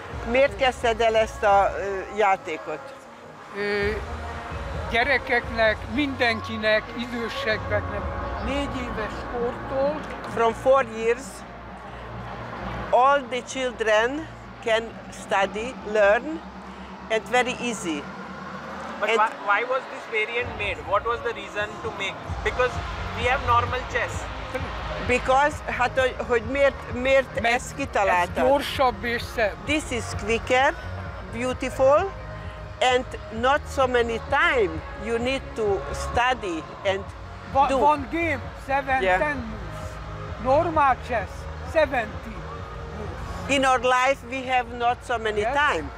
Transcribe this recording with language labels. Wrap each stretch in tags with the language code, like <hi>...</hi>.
<hu>Miért kezdted el ezt a játékot? Gyerekeknek, mindenkinek, időseknek, 4 éves kortól.</hu> <en>From 4 years, all the children can study, learn, and very easy. But why was this variant made? What was the reason to make? Because we have normal chess. Because,</en> <hu>hát, hogy miért ezt kitaláltad? Ez gyorsabb és szebb.</hu> <en>This is quicker, beautiful, and not so many time you need to study and do. One game, 7-10 moves. Normal chess, 70 moves. In our life, we have not so many time.</en>